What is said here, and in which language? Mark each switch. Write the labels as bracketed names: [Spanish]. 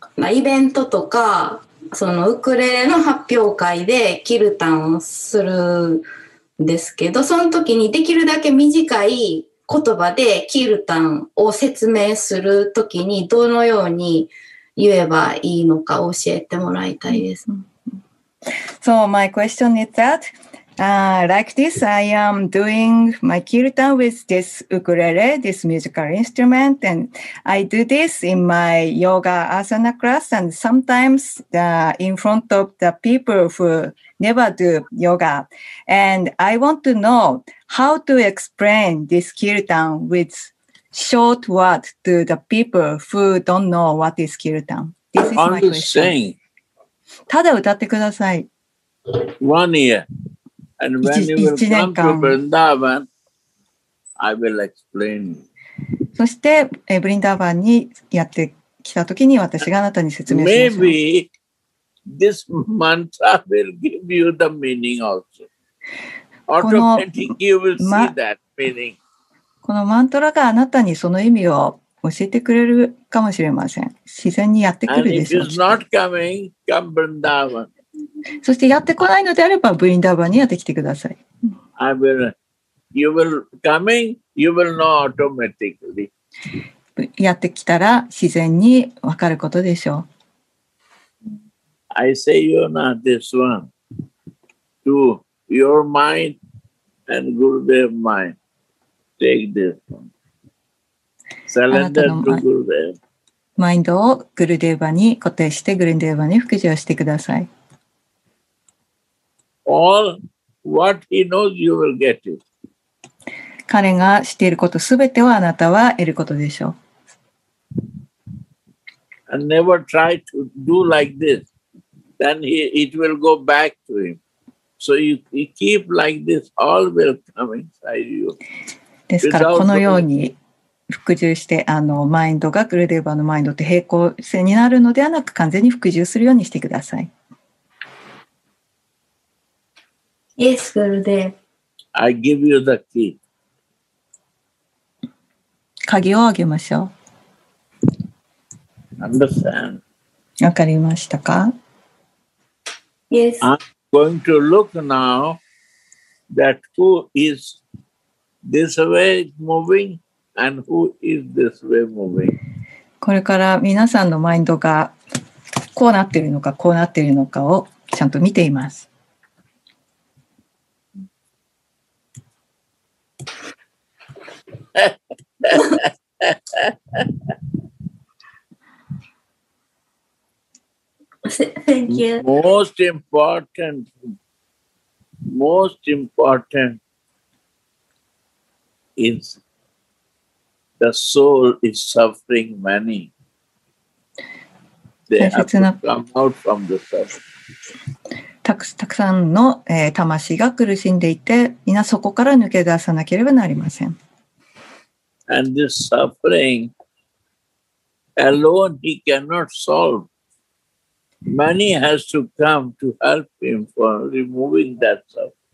[Japanese] イベントとか、そのウクレレの発表会でキルタンをするですけど、その時にできるだけ短い言葉でキルタンを説明する時にどのように言えばいいのか教えてもらいたいです。 [English] So my question is that、like this, I am doing my kirtan with this ukulele, this musical instrument, and I do this in my yoga asana class, and sometimes in front of the people who never do yoga. And I want to know how to explain this kirtan with short word to the people who don't know what is kirtan. This is my question. [Japanese] ただ歌ってください。 [English] One year. And when you will come to Vrindavan, I will explain. [Japanese] そしてブリンダーバンにやってきたときに私があなたに説明します。 [English] Maybe this mantra will give you the meaning also. Automatically you will see that meaning. [Japanese] このマントラがあなたにその意味を教えてくれるかもしれません。自然にやってくるでしょう。 [English] And if it's not coming, come Vrindavan. [Japanese] そしてやってこないのであればブリンダーバンにやってきてください。 [English] I will, you will come in, you will know automatically. [Japanese] やってきたら自然にわかることでしょう。 [English] I say you not this one to your mind and Gurudev mind. Take this one. Surrender to Gurudev. [Japanese] マインドをグルデーバに固定してグルデーバに服従してください。 [English] All what he knows, you will get it. [Japanese] 彼がしていることすべてをあなたは得ることでしょう。 [English] And never try to do like this. Then he, it will go back to him. So you, you keep like this, all will come inside you. [Japanese] ですからこのように服従して、マインドがグルデーバのマインドと平行線になるのではなく、完全に服従するようにしてください。 [English] Yes, Gurudev. I give you the key. [Japanese] 鍵をあげましょう。 [English] Understand. [Japanese] わかりましたか? [English] Yes. I'm going to look now that who is this way moving and who is this way moving. [Japanese] これから皆さんのマインドがこうなっているのかこうなっているのかをちゃんと見ています。 [English] Thank you. Most important is the soul is suffering many. They have to come out from the suffering. [Japanese] たくさんの、魂が苦しんでいて、みんなそこから抜け出さなければなりません。 [English] And this suffering alone he cannot solve. Many has to come to help him for removing that suffering.